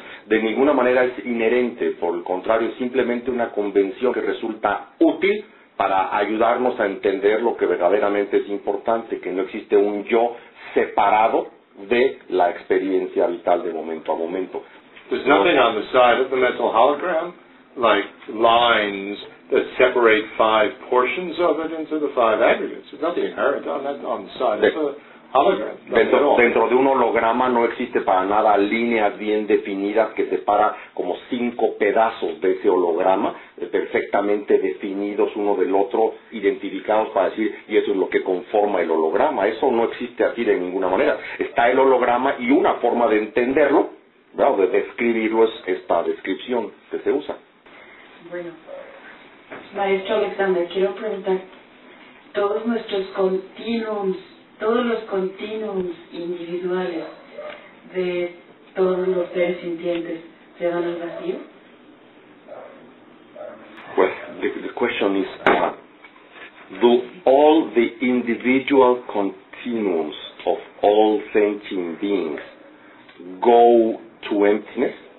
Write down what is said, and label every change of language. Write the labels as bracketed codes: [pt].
[es] De ninguna manera es inherente, por el contrario, es simplemente una convención que resulta útil para ayudarnos a entender lo que verdaderamente es importante, que no existe un yo separado de la experiencia vital de momento a momento. [en] There's nothing on the side of the mental hologram, like lines that separate five portions of it into the five aggregates. There's nothing inherent on the side of the hologram. [es] Dentro de un holograma no existe para nada líneas bien definidas que separa como cinco pedazos de ese holograma, perfectamente definidos uno del otro, identificados para decir, y eso es lo que conforma el holograma. Eso no existe así de ninguna manera. Está el holograma y una forma de entenderlo, ¿verdad? De describirlo, es esta descripción que se usa. Bueno, maestro Alexander, quiero preguntar, todos nuestros continuums, todos los continuums individuales de todos los seres sintientes, ¿se van al vacío? [en] Well, the question is, do all the individual continuums of all sentient beings go to emptiness?